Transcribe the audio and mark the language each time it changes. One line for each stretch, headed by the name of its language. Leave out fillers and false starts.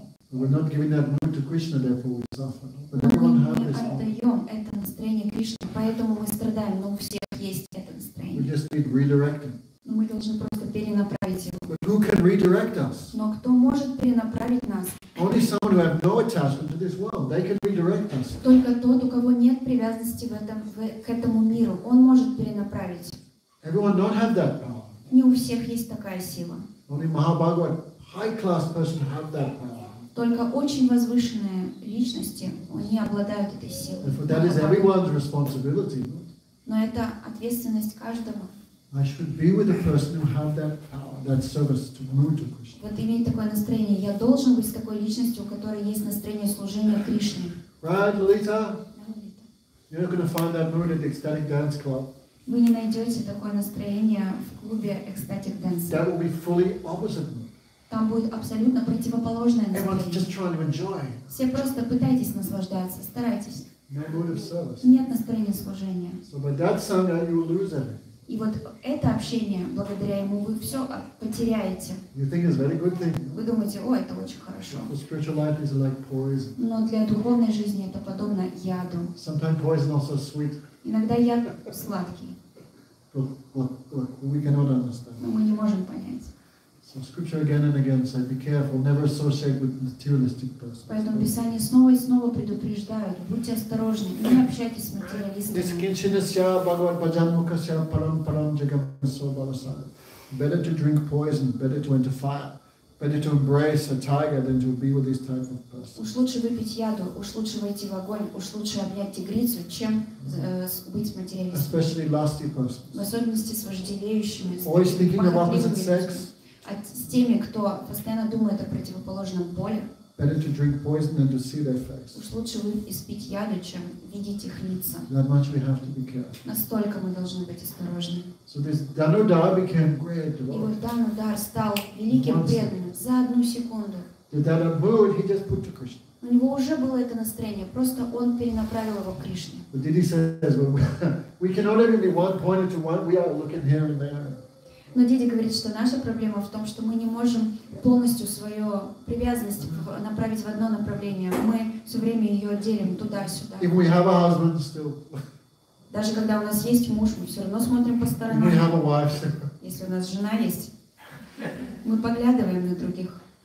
English: We're not giving that mood to Krishna, therefore we suffer. But
Russian: но
English: everyone
Russian: мы
English: has
Russian: не отдаем это настроение Кришне, поэтому мы страдаем, но у всех есть это настроение.
English: We just need redirecting.
Russian: Мы должны просто перенаправить его.
English: But who can redirect us?
Russian: Но кто может перенаправить нас?
English: Only someone who has no attachment to this world, they can redirect us.
Russian: Только тот, у кого нет привязанности к этому миру, он может перенаправить.
English: Everyone don't have that power.
Russian: Не у всех есть такая сила.
English: Only Mahabhagavat, high-class person have that power.
Russian: Только очень возвышенные личности, они обладают этой силой.
English: For that is everyone's responsibility.
Russian: Но это ответственность каждого.
English: I should be with a person who have that power, that service to move to Krishna.
Russian: Вот иметь такое настроение. Я должен быть с такой личностью, у которой есть настроение служения Кришне.
English: Right, Lalita? You're not going to find that mood at the Ecstatic Dance Club.
Russian: Вы не найдете такое настроение в клубе Ecstatic Dance.
English: That will be fully opposite mood.
Russian: Там будет абсолютно противоположное настроение. Все просто пытайтесь наслаждаться, старайтесь. Нет настроения служения.
English: So by that sangha, you will lose it.
Russian: И вот это общение, благодаря ему, вы все потеряете.
English: You think it's very good thing.
Russian: Вы думаете, о, это очень хорошо.
English: But spiritual life is like poison.
Russian: Но для духовной жизни это подобно яду.
English: Sometimes poison also sweet.
Russian: Иногда яд сладкий.
English: But we cannot understand.
Russian: Но мы не можем понять.
English: So scripture again and again says, "Be careful, never associate with materialistic persons."
Russian: Поэтому Писание снова и снова предупреждает: будьте осторожны, не общайтесь с материалистами.
Sanskrit: Дискинчинасья Бхагават Баджанмукасья Парам Парам Джагамасо Баласан.
English: Better to drink poison, better to enter fire, better to embrace a tiger than to be with these type of persons.
Russian: Уж лучше выпить яду, уж лучше войти в огонь, уж лучше обнять тигрицу, чем быть материалистом.
English: Especially lusty persons.
Russian: В особенности с вожделеющими.
English: Always thinking of opposite sex.
Russian: А с теми, кто постоянно думает о противоположном поле,
English: better to drink poison than to see their face.
Russian: Уж лучше вы испить яду, чем видеть их лица.
English: That much we have to be careful.
Russian: Настолько мы должны быть осторожны.
English: So this Dhanudar became great.
Russian: И вот Dhanudar стал великим преданным за одну секунду.
English: That mood he just put to Krishna.
Russian: У него уже было это настроение, просто он перенаправил его к Кришне.
English: But did he say, well, we can only be one pointed to one, we are looking here and there.
Russian: Но Диди говорит, что наша проблема в том, что мы не можем полностью свою привязанность направить в одно направление. Мы все время ее делим туда-сюда.
English: If we have a husband still.
Russian: Даже когда у нас есть муж, мы все равно смотрим по сторонам.
English: We have a wife still.
Russian: Если у нас жена есть, мы поглядываем на других.